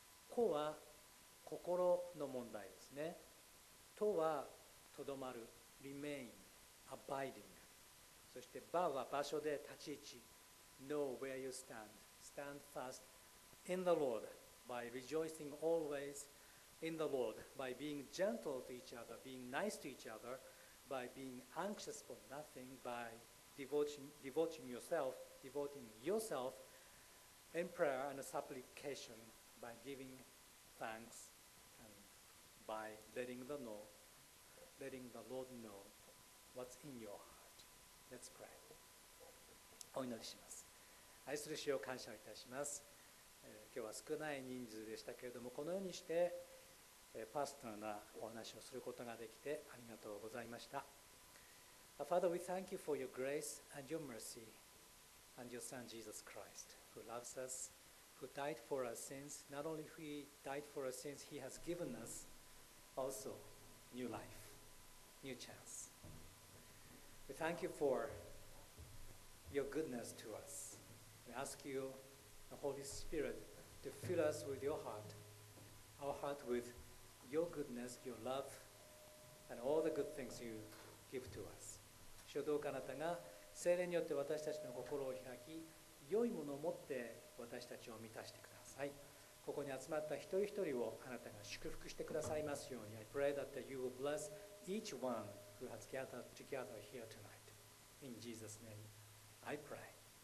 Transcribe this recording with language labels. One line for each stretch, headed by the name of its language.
Japanese: こうは心の問題ですね。とはとどまる、remain, abiding. そして場は場所で立ち位置、
English: know where you stand, stand fast in the Lord by rejoicing always in the Lord, by being gentle to each other, being nice to each other, by being anxious for nothing, by devoting yourself in prayer and supplication, by giving thanks and by letting the Lord know what's in your heart. Let's pray.
Japanese: お祈りします。愛する主を感謝いたします。今日は少ない人数でしたけれども、このようにしてパーソナルなお話をすることができてありがとうございました。
English: Father, we thank you for your grace and your mercy and your Son Jesus Christ, who loves us, who died for our sins. Not only he died for our sins, he has given us also new life. New chance. We thank you for your goodness to us. We ask you, the Holy Spirit, to fill us with your heart, our heart with your goodness, your love, and all the good things you give to us.
Japanese: 主どうかあなたが聖霊によって私たちの心を開き、良いものを持って私たちを満たしてください。ここに集まった一人一人をあなたが祝福してくださいますように。
English: I pray that you will bless each one who has gathered together here tonight. In Jesus' name, I pray.